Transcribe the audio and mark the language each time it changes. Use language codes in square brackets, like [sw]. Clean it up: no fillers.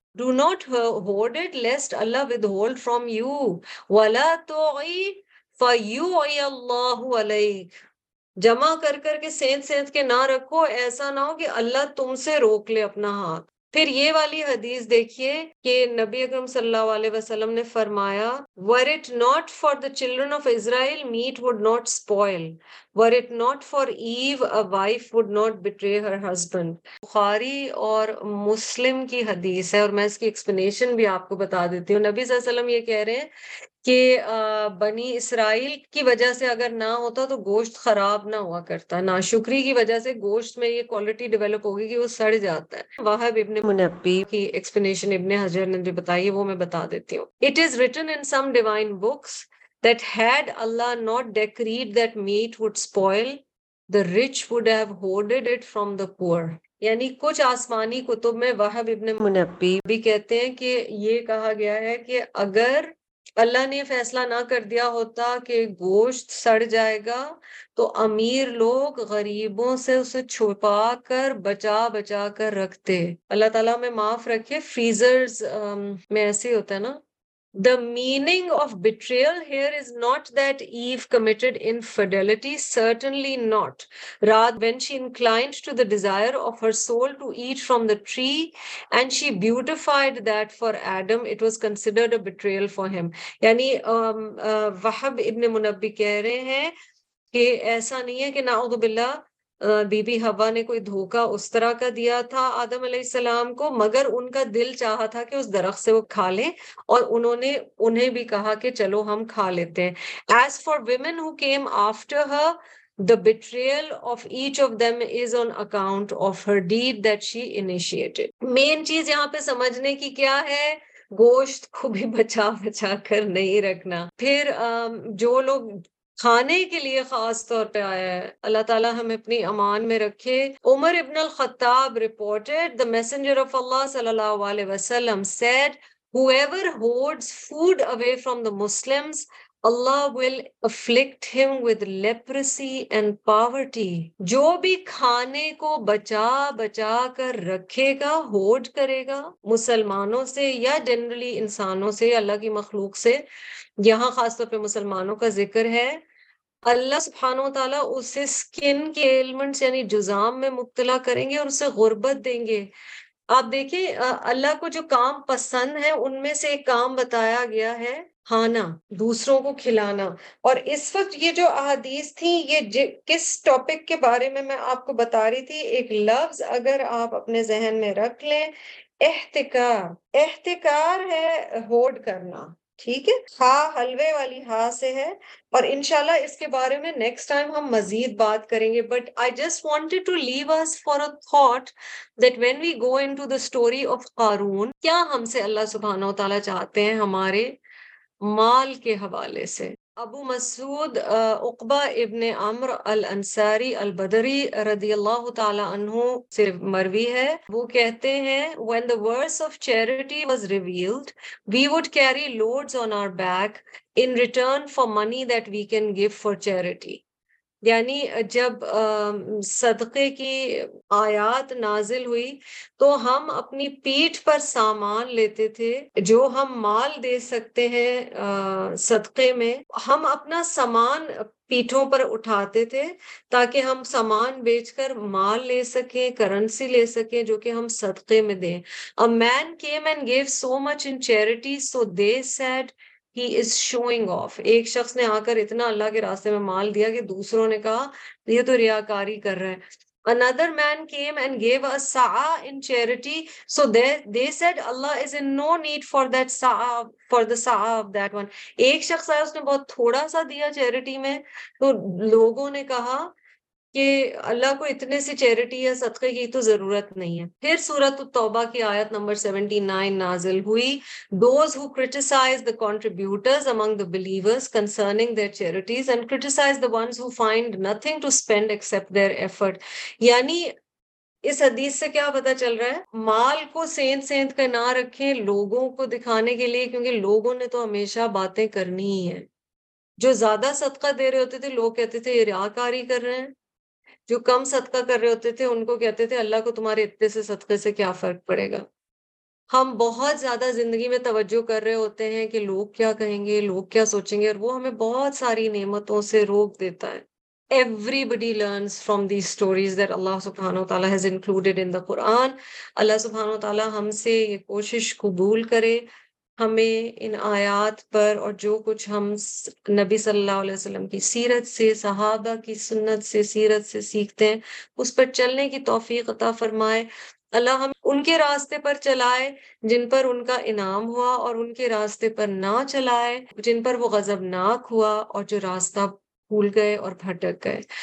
[en] Do not hoard it lest Allah withhold from you, [ar] ولا تعی فیعی اللہ علیک, [ur] جمع کر کر کے سینت سینت کے نہ رکھو, ایسا نہ ہو کہ اللہ تم سے روک لے اپنا ہاتھ. پھر یہ والی حدیث دیکھیے کہ نبی اکرم صلی اللہ علیہ وسلم نے فرمایا, [en] were it not for the children of Israel, meat would not spoil. Were it not for Eve, a wife would not betray her husband. [ur] بخاری اور مسلم کی حدیث ہے, اور میں اس کی ایکسپلینیشن بھی آپ کو بتا دیتی ہوں. نبی صلی اللہ علیہ وسلم یہ کہہ رہے ہیں کہ بنی اسرائیل کی وجہ سے اگر نہ ہوتا تو گوشت خراب نہ ہوا کرتا, ناشکری کی وجہ سے گوشت میں یہ کوالٹی ڈیولپ ہوگی کہ وہ سڑ جاتا ہے. وہب ابن منبی کی ایکسپلینیشن ابن حجر نے جو بتائی وہ میں بتا دیتی ہوں. [en] It is written in some divine books that had Allah not decreed that meat would spoil, the rich would have hoarded it from the poor. [ur] یعنی کچھ آسمانی کتب میں وہب ابن منبی بھی کہتے ہیں کہ یہ کہا گیا ہے کہ اگر اللہ نے فیصلہ نہ کر دیا ہوتا کہ گوشت سڑ جائے گا تو امیر لوگ غریبوں سے اسے چھپا کر بچا بچا کر رکھتے. اللہ تعالیٰ میں معاف رکھے, فریزرز میں ایسے ہوتا ہے نا. [en] The meaning of betrayal here is not that Eve committed infidelity, certainly not. Rather, when she inclined to the desire of her soul to eat from the tree and she beautified that for Adam, it was considered a betrayal for him. [ur] Yani, Wahab ibn Munabbi keh rahe hain ke aisa nahi hai ke na'udhu billah be be ہوا نے کوئی دھوکہ اس طرح کا دیا تھا آدم علیہ السلام کو, مگر ان کا دل چاہا تھا کہ اس درخت سے وہ کھا لیں اور انہوں نے انہیں بھی کہا کہ چلو ہم کھا لیتے ہیں. [en] As for women who came after her, the betrayal of each of them is on account of her deed that she initiated. [ur] مین چیز یہاں پہ سمجھنے کی کیا ہے, گوشت کو بھی بچا بچا کر نہیں رکھنا. پھر جو لوگ کھانے کے لیے خاص طور پہ آیا ہے, اللہ تعالیٰ ہم اپنی امان میں رکھے. [en] Umar ibn al-Khattab reported, the messenger of Allah صلی اللہ علیہ وسلم said, whoever hoards food away from the Muslims, Allah will afflict him with leprosy and poverty. [ur] جو بھی کھانے کو بچا بچا کر رکھے گا, ہوڈ کرے گا مسلمانوں سے یا جنرلی انسانوں سے, اللہ کی مخلوق سے, یہاں خاص طور پہ مسلمانوں کا ذکر ہے, اللہ سبحانہ و تعالیٰ اسے اسکن کے ایلمنٹس یعنی جزام میں مبتلا کریں گے اور اسے غربت دیں گے. آپ دیکھیں اللہ کو جو کام پسند ہے ان میں سے ایک کام بتایا گیا ہے, کھانا, دوسروں کو کھلانا. اور اس وقت یہ جو احادیث تھیں یہ کس ٹاپک کے بارے میں آپ کو بتا رہی تھی, ایک لفظ اگر آپ اپنے ذہن میں رکھ لیں, احتکار. احتکار ہے ہوڈ کرنا, ٹھیک ہے, ہا حلوے والی ہا سے ہے. اور انشاءاللہ اس کے بارے میں نیکسٹ ٹائم ہم مزید بات کریں گے, [en] but I just wanted to leave us for a thought that when we go into the story of Qarun, [ur] کیا ہم سے اللہ سبحانہ و تعالیٰ چاہتے ہیں ہمارے مال کے حوالے سے. ابو مسعود عقبہ ابن عمر الانصاری البدری رضی اللہ تعالی عنہ سے مروی ہے, وہ کہتے ہیں, [en] when the verse of charity was revealed, we would carry loads on our back in return for money that we can give for charity. [ur] یعنی جب صدقے کی آیات نازل ہوئی تو ہم اپنی پیٹھ پر سامان لیتے تھے جو ہم مال دے سکتے ہیں صدقے میں. ہم اپنا سامان پیٹھوں پر اٹھاتے تھے تاکہ ہم سامان بیچ کر مال لے سکیں, کرنسی لے سکیں جو کہ ہم صدقے میں دیں. [en] A man came and gave so much in charity, so they said he is showing off. [ur] ایک شخص نے آ کر اتنا اللہ کے راستے میں مال دیا کہ دوسروں نے کہا یہ تو ریاکاری کر رہے ہیں. [en] Another man came and gave a sa'a in charity, so they said Allah is in no need for that sa'a, for the sa'a of that one. [ur] ایک شخص آیا اس نے بہت تھوڑا سا دیا چیریٹی میں تو لوگوں نے کہا کہ اللہ کو اتنے سے چیریٹی یا صدقے کی تو ضرورت نہیں ہے. پھر سورۃ التوبہ کی آیت نمبر 79 نازل ہوئی, [en] those who criticize the contributors among the believers concerning their charities and criticize the ones who find nothing to spend except their effort. [ur] یعنی اس حدیث سے کیا پتا چل رہا ہے, مال کو سینت سینت کر نہ رکھیں لوگوں کو دکھانے کے لیے, کیونکہ لوگوں نے تو ہمیشہ باتیں کرنی ہی ہیں. جو زیادہ صدقہ دے رہے ہوتے تھے لوگ کہتے تھے یہ ریاکاری کر رہے ہیں, جو کم صدقہ کر رہے ہوتے تھے ان کو کہتے تھے اللہ کو تمہارے اتنے سے صدقے سے کیا فرق پڑے گا. ہم بہت زیادہ زندگی میں توجہ کر رہے ہوتے ہیں کہ لوگ کیا کہیں گے, لوگ کیا سوچیں گے, اور وہ ہمیں بہت ساری نعمتوں سے روک دیتا ہے. [en] Everybody learns from these stories that Allah subhanahu wa ta'ala has included in the Quran. [ur] Allah subhanahu wa ta'ala ہم سے یہ کوشش قبول کرے, ہمیں ان آیات پر اور جو کچھ ہم نبی صلی اللہ علیہ وسلم کی سیرت سے, صحابہ کی سنت سے, سیرت سے سیکھتے ہیں اس پر چلنے کی توفیق عطا فرمائے. اللہ ہم ان کے راستے پر چلائے جن پر ان کا انعام ہوا, اور ان کے راستے پر نہ چلائے جن پر وہ غضبناک ہوا اور جو راستہ بھول گئے اور بھٹک گئے.